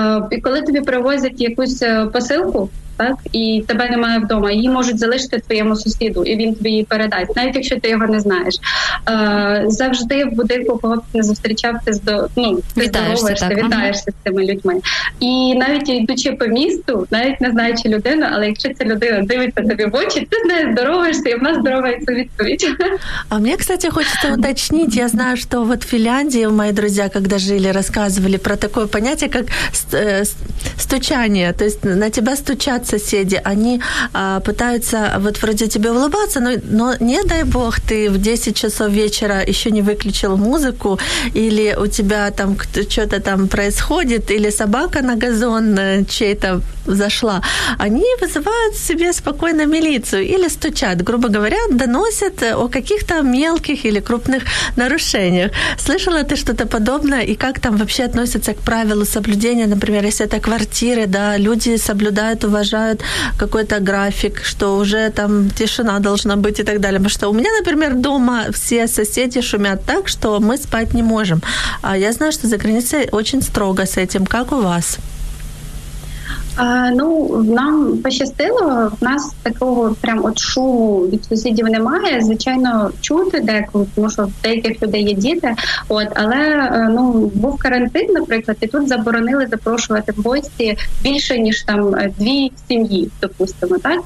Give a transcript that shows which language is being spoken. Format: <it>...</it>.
<uk>І коли тобі привозять якусь посилку, так, і тебе немає вдома, її можуть залишити твоєму сусіду, і він тобі її передасть, навіть якщо ти його не знаєш. Завжди в будинку, кого б не зустрічав, ти вітаєшся з цими людьми. І навіть йдучи по місту, навіть не знаючи людину, але якщо ця людина дивиться тобі в очі, ти з нею здоровуєшся, і вона здоровається відповідь. А мені, кстати, хочеться уточнити, я знаю, що от в Фінляндії мої друзі, коли жили, розказували про таке поняття, як стучання, тобто</uk> <ru>на тебе стучать соседи, они пытаются вот вроде тебе улыбаться, но не дай бог, ты в 10 часов вечера еще не выключил музыку, или у тебя там что-то там происходит, или собака на газон чей-то зашла, они вызывают себе спокойно милицию, или стучат, грубо говоря, доносят о каких-то мелких или крупных нарушениях. Слышала ты что-то подобное, и как там вообще относятся к правилу соблюдения, например, если это квартиры, да, люди соблюдают уважение, какой-то график, что уже там тишина должна быть и так далее. Потому что у меня, например, дома все соседи шумят так, что мы спать не можем. А я знаю, что за границей очень строго с этим. Как у вас?</ru> <uk>Ну, нам пощастило, в нас такого прям от шуму від сусідів немає. Звичайно, чути деколи, тому що в деяких людей є діти. От, але ну, був карантин, наприклад, і тут заборонили запрошувати в гості більше, ніж там дві сім'ї, допустимо, так?</uk>